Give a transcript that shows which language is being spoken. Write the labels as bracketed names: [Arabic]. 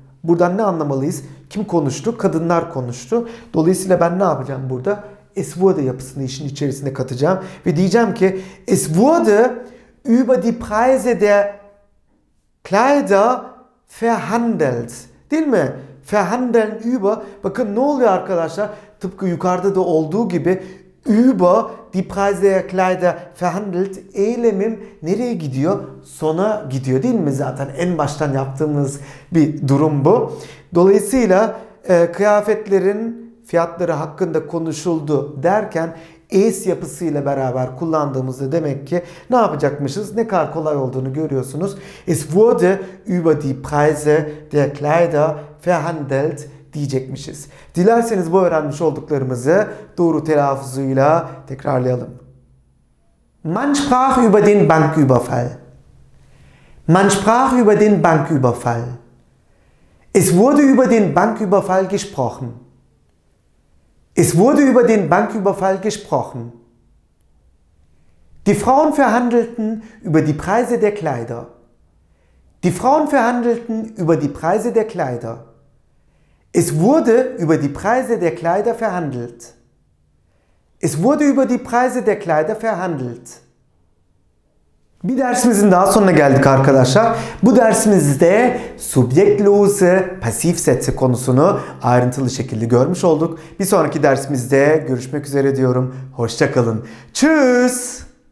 [Turkish] Buradan ne anlamalıyız? Kim konuştu? Kadınlar konuştu. Dolayısıyla ben ne yapacağım burada? Es wurde yapısını işin içerisine katacağım. Ve diyeceğim ki [German] es wurde über die Preise der Kleider verhandelt. [Turkish] Değil mi? Verhandeln über. Bakın ne oluyor arkadaşlar? Tıpkı yukarıda da olduğu gibi [German] über die Preise der Kleider verhandelt [Turkish] eylemim nereye gidiyor? Sona gidiyor değil mi? Zaten en baştan yaptığımız bir durum bu. Dolayısıyla kıyafetlerin fiyatları hakkında konuşuldu derken es yapısıyla beraber kullandığımızda demek ki ne yapacakmışız? Ne kadar kolay olduğunu görüyorsunuz. [German] Es wurde über die Preise der Kleider verhandelt [Turkish] diyecekmişiz. Dilerseniz bu öğrenmiş olduklarımızı doğru telaffuzuyla tekrarlayalım. [German] Man sprach über den Banküberfall. Man sprach über den Banküberfall. Es wurde über den Banküberfall gesprochen. Es wurde über den Banküberfall gesprochen. Die Frauen verhandelten über die Preise der Kleider. Die Frauen verhandelten über die Preise der Kleider. Es wurde über die Preise der Kleider verhandelt. Es wurde über die Preise der Kleider verhandelt. [Turkish] Bir dersimizin daha sonuna geldik arkadaşlar. Bu dersimizde subjektlose pasif sätze konusunu ayrıntılı şekilde görmüş olduk. Bir sonraki dersimizde görüşmek üzere diyorum. Hoşça kalın. Tschüss.